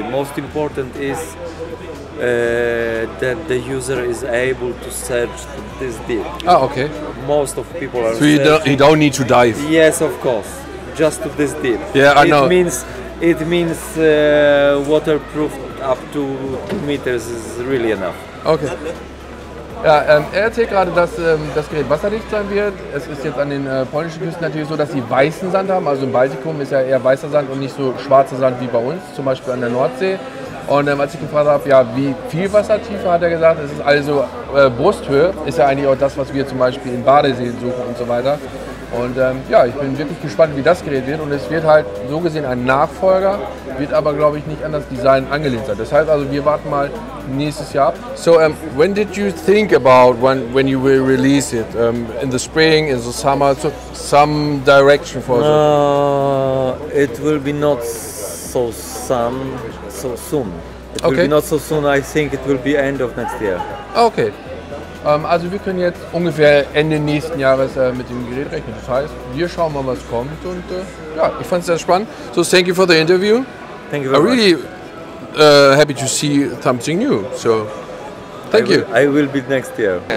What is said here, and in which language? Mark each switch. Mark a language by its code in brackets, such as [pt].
[en] Most important is that the user is able to search this deep. Oh, okay. Most of people are so you don't need to dive? Yes, of course. Just to this deep. Yeah, I it know. It means waterproof up to 2 meters is really enough. Okay. [de] Ja, er erzählt gerade, dass das Gerät wasserdicht sein wird. Es ist jetzt an den polnischen Küsten natürlich so, dass sie weißen Sand haben. Also im Baltikum ist ja eher weißer Sand und nicht so schwarzer Sand wie bei uns, zum Beispiel an der Nordsee. Und als ich gefragt habe, ja, wie viel Wassertiefe, hat er gesagt, es ist also Brusthöhe, ist ja eigentlich auch das, was wir zum Beispiel in Badeseen suchen und so weiter. Und ja, ich bin wirklich gespannt, wie das Gerät wird. Und es wird halt so gesehen ein Nachfolger, wird aber, glaube ich, nicht an das Design angelehnt sein. Das heißt also, wir warten mal nächstes Jahr ab. [en] So, when did you think about when you will release it? In the spring, in the summer, so some direction for it? It will be not so so soon. Okay. Will be not so soon, I think it will be end of next year. Okay. [de] Also wir können jetzt ungefähr Ende nächsten Jahres mit dem Gerät rechnen. Das heißt, wir schauen mal, was kommt. Und ja, ich fand es sehr spannend. [en] So, thank you for the interview. Thank you very much. I'm really happy to see something new. So, thank you. I will be next year.